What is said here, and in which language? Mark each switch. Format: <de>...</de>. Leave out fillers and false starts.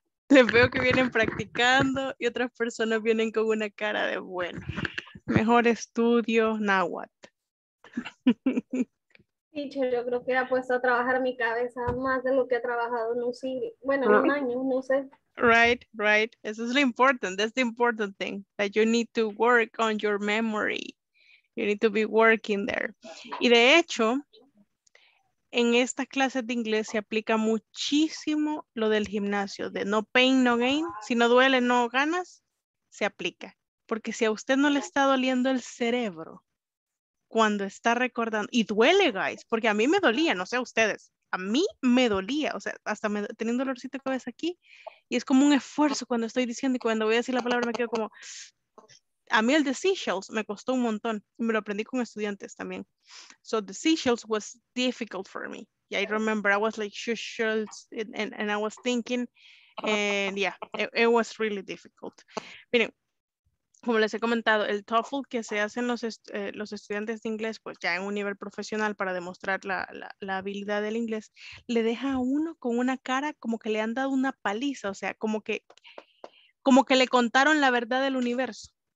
<es>Les veo que vienen practicando y otras personas vienen con una cara de bueno. Mejor estudio,</es> <en>now what?</en> <es>Dicho, yo creo que ha puesto a trabajar mi cabeza más de lo que ha trabajado en un siglo. Bueno, en un año, no sé.</es> <en>Right, right.</en> <es>Eso es lo importante.</es> <en>That's the important thing. That you need to work on your memory. You need to be working there.</en> <es>Y de hecho... En estas clases de inglés se aplica muchísimo lo del gimnasio, de</es> <en>no pain, no gain.</en> <es>Si no duele, no ganas. se aplica. Porque si a usted no le está doliendo el cerebro cuando está recordando, y duele, guys, porque a mí me dolía, no sé a ustedes, a mí me dolía, o sea, hasta me, tenía un dolorcito de cabeza aquí, y es como un esfuerzo cuando estoy diciendo, y cuando voy a decir la palabra me quedo como, a mí el de seashells me costó un montón, y me lo aprendí con estudiantes también.</es> <en>So the seashells was difficult for me. Yeah, I remember I was like, seashells, and I was thinking, and yeah, it was really difficult.</en> <es>Miren, como les he comentado, el TOEFL que se hacen los estudiantes de inglés, pues ya en un nivel profesional para demostrar la habilidad del inglés, le deja a uno con una cara como que le han dado una paliza, o sea, como que le contaron la verdad del universo.</es>